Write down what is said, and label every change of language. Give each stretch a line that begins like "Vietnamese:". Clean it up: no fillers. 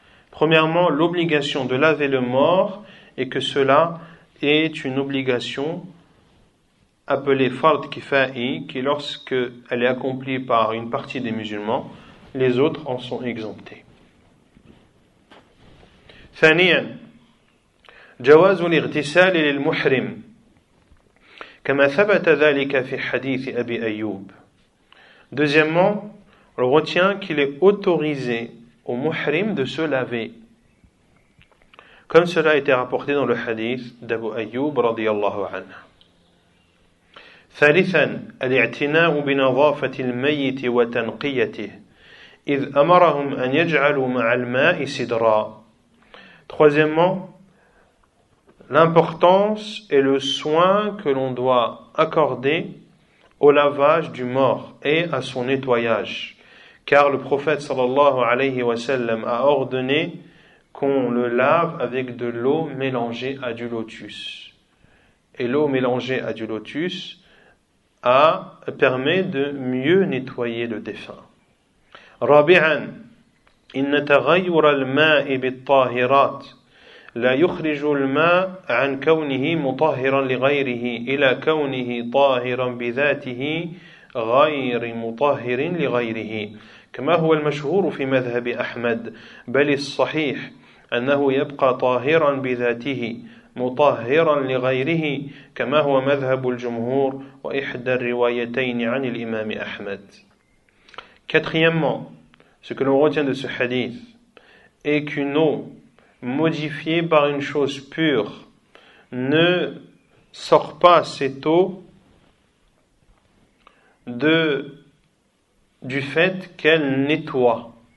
French: Premièrement, l'obligation de laver le mort et que cela est une obligation appelée fard kifayi qui lorsque elle est accomplie par une partie des musulmans, les autres en sont exemptés.
Arabic: ثانيا جواز الاغتسال للمحرم كما ثبت ذلك في حديث أبي أيوب.
French: Deuxièmement, on retient qu'il est autorisé au muhrim de se laver comme cela a été rapporté dans le hadith d'Abu Ayyub
Arabic: رضي الله عنه. ثالثا الاعتناء بنظافة الميت وتنقيته إذ أمرهم أن يجعلوا مع الماء سدرا.
French: Troisièmement, l'importance et le soin que l'on doit accorder au lavage du mort et à son nettoyage. Car le prophète
Arabic: sallallahu alayhi wa sallam
French: a ordonné qu'on le lave avec de l'eau mélangée à du lotus. Et l'eau mélangée à du lotus permet de mieux nettoyer le défunt.
Arabic: Rabi'an, إن تغير الماء بالطاهرات لا يخرج الماء عن كونه مطهرا لغيره إلى كونه طاهرا بذاته غير مطهر لغيره كما هو المشهور في مذهب أحمد بل الصحيح أنه يبقى طاهرا بذاته مطهرا لغيره كما هو مذهب الجمهور وإحدى الروايتين عن الإمام أحمد.
French: Quatrièmement, ce que l'on retient de ce hadith est qu'une eau modifiée par une chose pure ne sort pas cette eau du fait qu'elle nettoie